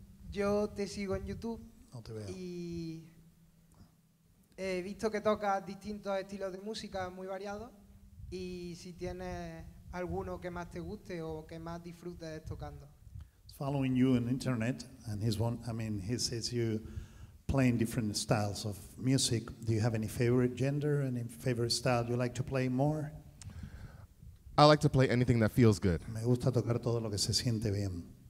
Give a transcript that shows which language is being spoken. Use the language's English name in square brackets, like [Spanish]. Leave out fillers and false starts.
[Spanish] Yo te sigo en YouTube. No te veo. Y he visto que tocas distintos estilos de música muy variados. Y si tienes alguno que más te guste o que más disfrutes tocando. [English] Following you on internet, and he's one. I mean, he sees you playing different styles of music. Do you have any favorite gender, any favorite style you like to play more? I like to play anything that feels good. [Spanish] Me gusta tocar todo lo que se siente bien.